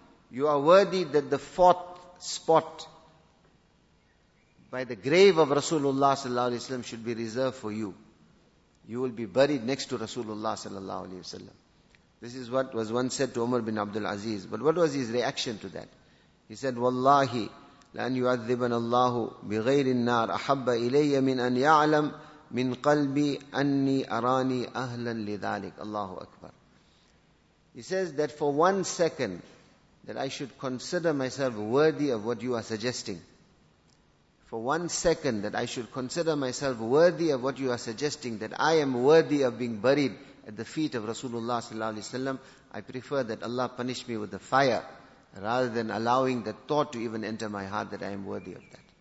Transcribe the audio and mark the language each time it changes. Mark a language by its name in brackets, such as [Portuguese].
[English] You are worthy that the fourth spot by the grave of Rasulullah sallallahu alaihi wasallam should be reserved for you. You will be buried next to Rasulullah sallallahu alaihi wasallam. This is what was once said to Umar bin Abdul Aziz. But what was his reaction to that? He said, Wallahi, [Arabic] لَأَنْ يُعَذِّبَنَ اللَّهُ بِغَيْرِ النَّارِ أَحَبَّ إِلَيَّ مِنْ أَنْ يَعْلَمْ مِنْ قَلْبِ أَنِّي أَرَانِي أَهْلًا لِذَلِكَ. Allahu Akbar. [English] He says that for one second, that I should consider myself worthy of what you are suggesting. For one second that I should consider myself worthy of what you are suggesting, that I am worthy of being buried at the feet of Rasulullah sallallahu alaihi wasallam, I prefer that Allah punish me with the fire rather than allowing the thought to even enter my heart that I am worthy of that.